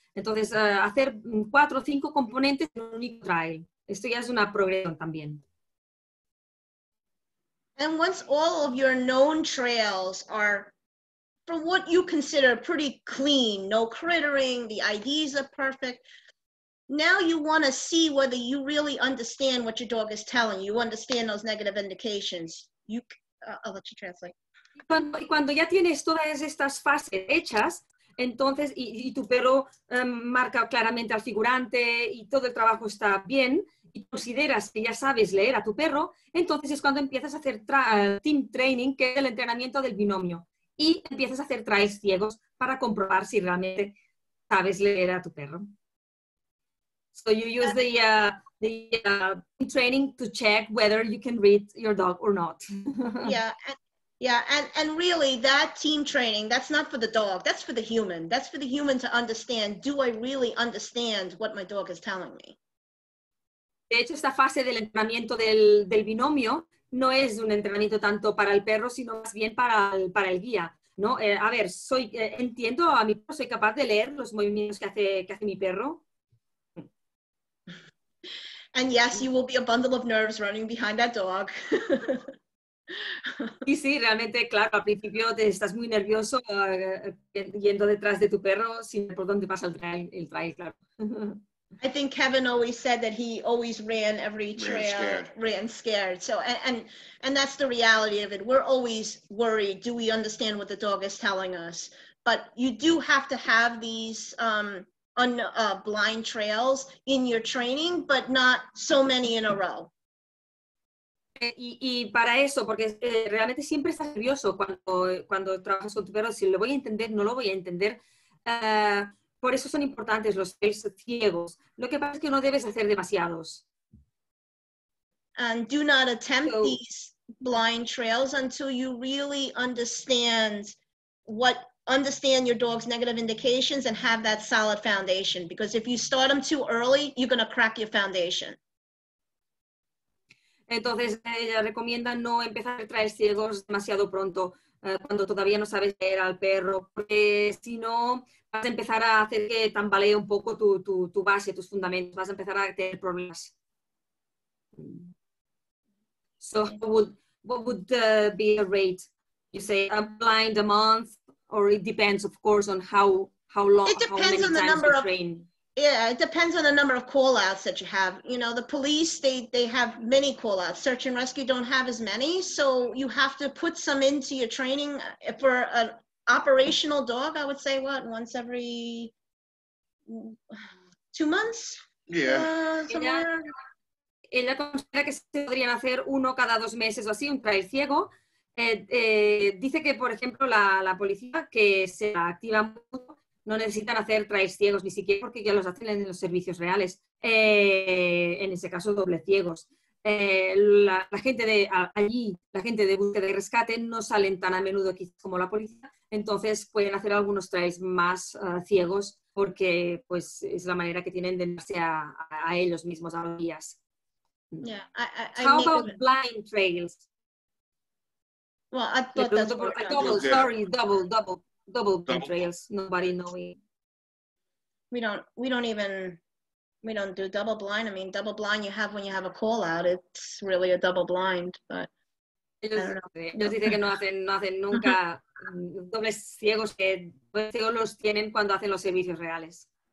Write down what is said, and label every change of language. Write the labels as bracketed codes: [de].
[es] Entonces, hacer 4 o 5 componentes en un único trail. Esto ya es una progresión también. [en] And once all of your known trails are, for what you consider pretty clean, no crittering, the IDs are perfect, now you want to see whether you really understand what your dog is telling you. You understand those negative indications. I'll let you translate. [es] Cuando ya tienes todas estas fases hechas, entonces, y tu perro marca claramente al figurante y todo el trabajo está bien, y consideras que ya sabes leer a tu perro, entonces es cuando empiezas a hacer [en] team training, [es] que es el entrenamiento del binomio, y empiezas a hacer trials ciegos para comprobar si realmente sabes leer a tu perro. [en] So you use the training to check whether you can read your dog or not. and really that team training, that's not for the dog, that's for the human. That's for the human to understand, do I really understand what my dog is telling me? [es] De hecho, esta fase del entrenamiento del binomio no es un entrenamiento tanto para el perro, sino más bien para el guía, ¿no? Entiendo a mi perro, soy capaz de leer los movimientos que hace mi perro. [en] And yes, you will be a bundle of nerves running behind that dog. [es] Y sí, realmente, claro, al principio te estás muy nervioso yendo detrás de tu perro sin por dónde pasa el trail, claro. [en] I think Kevin always said that he always ran every trail, ran scared. So, and that's the reality of it. We're always worried. Do we understand what the dog is telling us? But you do have to have these blind trails in your training, but not so many in a row. [es] Y para eso, porque realmente siempre estás nervioso cuando trabajas con tu perro, si lo voy a entender, no lo voy a entender. Por eso son importantes los trails ciegos. Lo que pasa es que no debes hacer demasiados. [en] And do not attempt these blind trails until you really understand your dog's negative indications and have that solid foundation. Because if you start them too early, you're going to crack your foundation. [es] Entonces, ella recomienda no empezar a traer ciegos demasiado pronto, cuando todavía no sabes leer al perro, porque si no, vas a empezar a hacer que tambalee un poco tu base, tus fundamentos, vas a empezar a tener problemas. [en] So, what would be a rate? You say a blind a month, or it depends, of course, on how long, how many times you train. Yeah, it depends on the number of call-outs that you have. You know, the police, they have many call-outs. Search and rescue don't have as many, so you have to put some into your training. For an operational dog, I would say, once every 2 months? Yeah. [es] Ella considera que se podrían hacer uno cada dos meses o así, un trail ciego. Dice que, por ejemplo, la policía, que se activa mucho, no necesitan hacer trails ciegos ni siquiera porque ya los hacen en los servicios reales. En ese caso, doble ciegos. La gente de allí, la gente de búsqueda y rescate, no salen tan a menudo quizás como la policía. Entonces, pueden hacer algunos trails más ciegos porque pues, es la manera que tienen de darse a ellos mismos, a los guías. [en] Yeah, How about blind trails? Double trails, nobody knowing. We don't do double blind. I mean, double blind you have when you have a call out. It's really a double blind, but [es] ellos dicen que no hacen nunca dobles ciegos, que dobles ciegos los tienen cuando hacen los servicios reales.